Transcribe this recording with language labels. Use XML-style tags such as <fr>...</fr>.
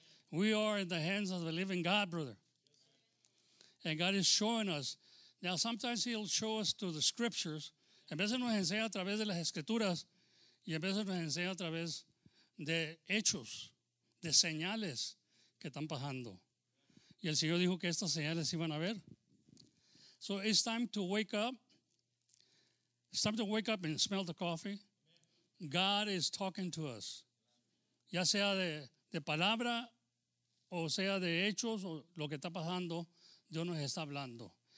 <en>We are in the hands of the living God, brother. And God is showing us. Now, sometimes he'll show us through the scriptures.</en> <es>A veces nos enseña a través de las escrituras. Y a veces nos enseña a través de hechos, de señales que están pasando. Y el Señor dijo que estas señales iban a ver.</es> <en>So it's time to wake up. It's time to wake up and smell the coffee. God is talking to us.</en> <es>Ya sea de palabra, o sea de hechos, o lo que está pasando, Dios nos está hablando.</es>